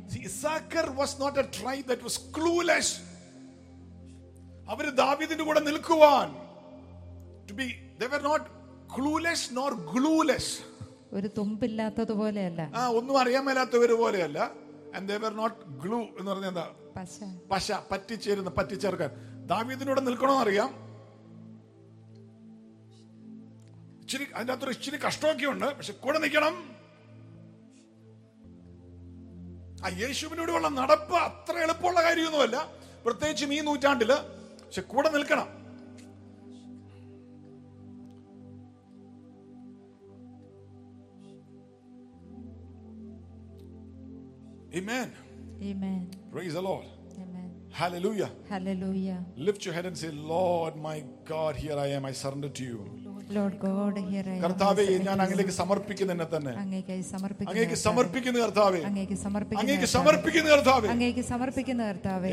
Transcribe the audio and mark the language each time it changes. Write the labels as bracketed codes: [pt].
[en] See, Issachar was not a tribe that was clueless. [ml] അവര് ദാവീദിന്റെ കൂടെ നിൽക്കുവാൻ, [en] they were not clueless nor glueless. [ml] ഒരു തുമ്പില്ലാത്തതുപോലെയല്ല, ഒന്നും അറിയാൻ മേലാത്തവര് പോലെയല്ല. [en] And they were not glue [ml] എന്ന് പറഞ്ഞാൽ എന്താ? പശ പറ്റിച്ചേരുന്ന, പറ്റിച്ചേർക്കാൻ. ദാവീദിനോട് നിൽക്കണോ അറിയാം, ഇച്ചിരി അതിന്റെ അത്ര ഇച്ചിരി കഷ്ടമൊക്കെ ഉണ്ട്, പക്ഷെ കൂടെ നിൽക്കണം. ആ യേശുവിനോടുള്ള നടപ്പ് അത്ര എളുപ്പമുള്ള കാര്യമൊന്നുമല്ല, പ്രത്യേകിച്ചും ഈ നൂറ്റാണ്ടില്. പക്ഷെ കൂടെ നിൽക്കണം. [en] Amen. Amen. Praise the Lord. Amen. Hallelujah. Hallelujah. Lift your head and say, Lord, my God, here I am. I surrender to you. Lord God, here I am. [ml] കർത്താവേ, ഞാൻ അങ്ങേയ്ക്ക് സമർപ്പിക്കുന്നു എന്നെ തന്നെ. അങ്ങേയ്ക്ക് സമർപ്പിക്കുന്നു കർത്താവേ. അങ്ങേയ്ക്ക് സമർപ്പിക്കുന്നു. അങ്ങേയ്ക്ക് സമർപ്പിക്കുന്നു കർത്താവേ. അങ്ങേയ്ക്ക് സമർപ്പിക്കുന്നു കർത്താവേ.